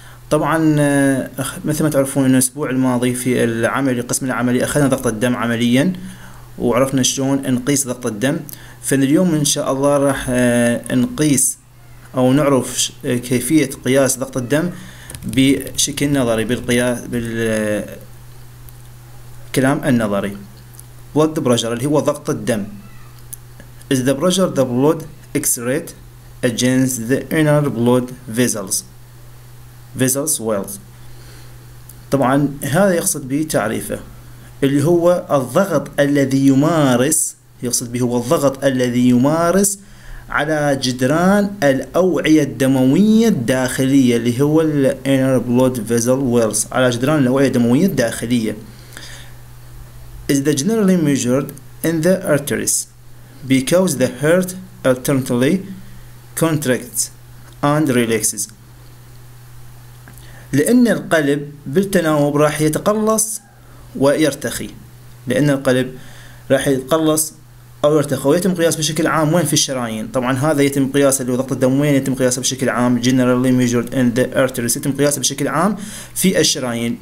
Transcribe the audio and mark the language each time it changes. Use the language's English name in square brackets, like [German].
[Arabic] طبعا مثل ما تعرفون أن الأسبوع الماضي في العملي، قسم العملي، أخذنا ضغط الدم عمليا وعرفنا شلون نقيس ضغط الدم. فاليوم إن شاء الله راح نقيس أو نعرف كيفية قياس ضغط الدم بشكل نظري، بالقياس بالكلام النظري. Blood pressure اللي هو ضغط الدم. [English] Is the pressure the blood exerted against the inner blood vessels? Vessels walls. [Arabic] طبعا هذا يقصد به تعريفه، اللي هو الضغط الذي يمارس، يقصد به هو الضغط الذي يمارس على جدران الأوعية الدموية الداخلية، اللي هو الـ [English] inner blood vessel walls، [Arabic] على جدران الأوعية الدموية الداخلية. [English] Is the generally measured in the arteries because the heart alternately contracts and relaxes. [Arabic] لأن القلب بالتناوب راح يتقلص ويرتخي، لأن القلب راح يتقلص أو يرتخي، ويتم قياس بشكل عام وين في الشرايين. طبعا هذا يتم قياسه اللي هو ضغط الدم، وين يتم قياسه بشكل عام؟ [English] generally measured in the arteries، [Arabic] يتم قياسه بشكل عام في الشرايين.